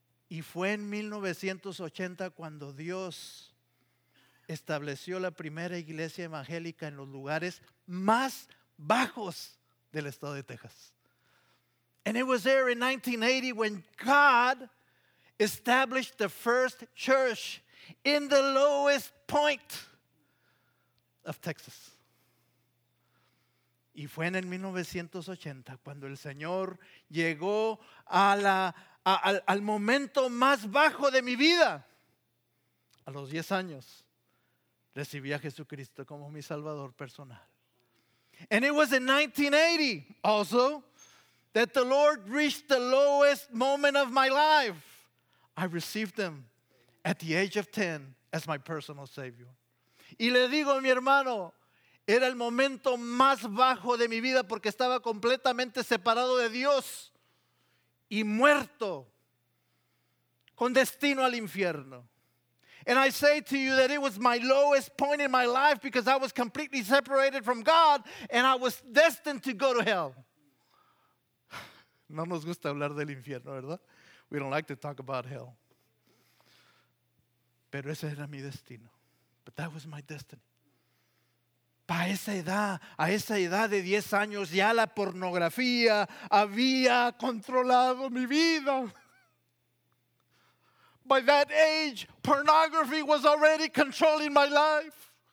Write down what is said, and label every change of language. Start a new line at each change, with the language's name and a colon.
Spanish: Y fue en 1980 cuando Dios estableció la primera iglesia evangélica en los lugares más bajos del estado de Texas.
English: And it was there in 1980 when God established the first church in the lowest point of Texas.
Spanish: Y fue en el 1980 cuando el Señor llegó al momento más bajo de mi vida. A los 10 años recibí a Jesucristo como mi Salvador personal.
English: And it was in 1980 also that the Lord reached the lowest moment of my life. I received him at the age of 10 as my personal Savior.
Spanish: Y le digo a mi hermano, era el momento más bajo de mi vida porque estaba completamente separado de Dios y muerto con destino al infierno.
English: And I say to you that it was my lowest point in my life because I was completely separated from God and I was destined to go to hell.
Spanish: No nos gusta hablar del infierno, ¿verdad?
English: We don't like to talk about hell.
Spanish: Pero ese era mi destino.
English: But that was my destiny.
Spanish: Para esa edad, a esa edad de 10 años, ya la pornografía había controlado mi vida.
English: By that age, pornography was already controlling my life.